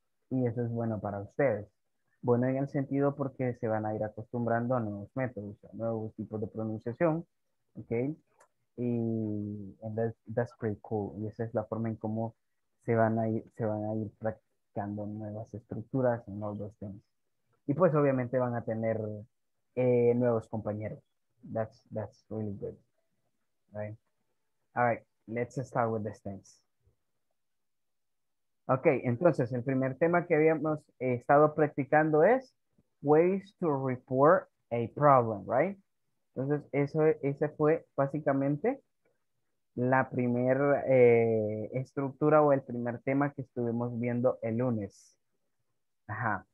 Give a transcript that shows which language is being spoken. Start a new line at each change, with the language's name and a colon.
Spanish: Y eso es bueno para ustedes. Bueno en el sentido porque se van a ir acostumbrando a nuevos métodos, a nuevos tipos de pronunciación.
English: Ok. Y that's pretty cool.
Spanish: Y esa es la forma en cómo se van a ir practicando nuevas estructuras en
English: all those things.
Spanish: Y pues obviamente van a tener nuevos compañeros.
English: That's really good. Right. All right, let's start with these things.
Spanish: Okay, entonces el primer tema que habíamos estado practicando es
English: ways to report a problem, right?
Spanish: Entonces ese fue básicamente la primera estructura o el primer tema que estuvimos viendo el lunes. Ajá.